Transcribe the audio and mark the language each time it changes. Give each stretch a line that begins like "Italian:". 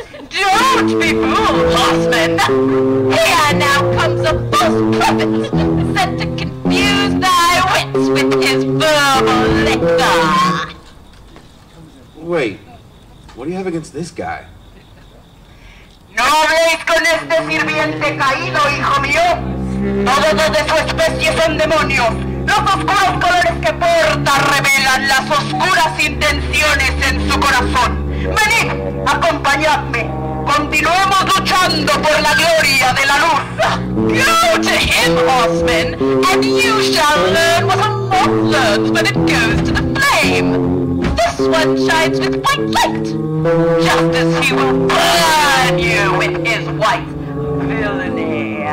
English: Don't be fooled, horseman. Here now comes a false prophet, sent to confuse thy wits with his verbal liquor. Wait, what do you have against this guy?
Spanish: No habléis con este sirviente caído, hijo mío. Todos los de su especie son demonios. Los oscuros colores que porta revelan las oscuras intenciones en su corazón. Venid, acompañadme. Continuamos luchando por la gloria de la luz.
English: Go to him, horseman, and you shall learn what a moth learns when it goes to the flame. This one shines with white light, just as he will burn you with his white villainy.